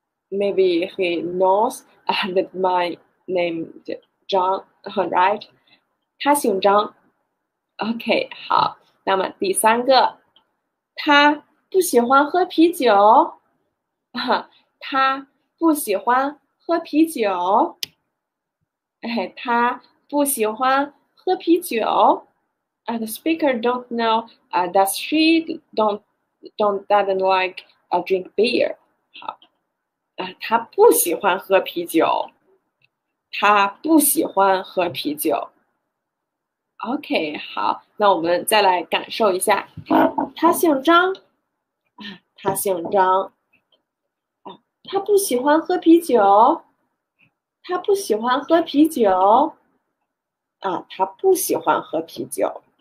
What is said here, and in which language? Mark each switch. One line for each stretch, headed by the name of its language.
English: Maybe he knows that my name is Zhang, right?
Chinese: 他姓张。Okay. 好，那么第三个。他不喜欢喝啤酒，哈，他不喜欢喝啤酒，哎，他不喜欢喝啤酒。
English: And the speaker don't know, that she doesn't like drink beer.
Chinese: 好，他不喜欢喝啤酒，他不喜欢喝啤酒。 OK，好，那我们再来感受一下。他姓张，他姓张，他不喜欢喝啤酒，他不喜欢喝啤酒，啊，他不喜欢喝啤酒。